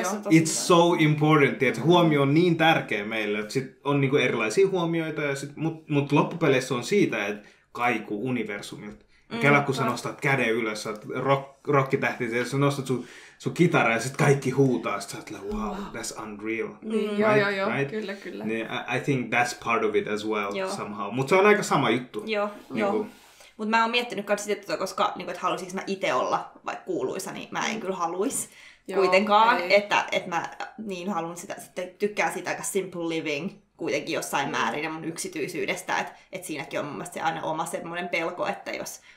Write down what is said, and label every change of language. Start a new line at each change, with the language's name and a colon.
English: It's so important,
Finnish: että huomio on niin tärkeä meille, että sit on niinku erilaisia huomioita, mutta loppupeleissä on siitä, että kaiku universumilta. Kela, kun sä nostat käden ylös, sä oot rockitähti, sä nostat sun kitara ja sit kaikki huutaa, sit sä oot,
English: wow, that's unreal.
Finnish: Joo, kyllä, kyllä. Niin,
English: I think that's part of it as well, somehow.
Finnish: Mutta se on aika sama juttu. Joo. Mutta mä oon miettinyt myös sitä, että koska niinku, et haluaisinko mä itse olla vaikka kuuluisa, niin mä en kyllä haluaisi kuitenkaan. Ei. Että et mä niin haluan sitä, että tykkään sitä aika simple living kuitenkin jossain määrin ja mun yksityisyydestä. Että et siinäkin on mun mielestä se aina oma semmoinen pelko, että jos...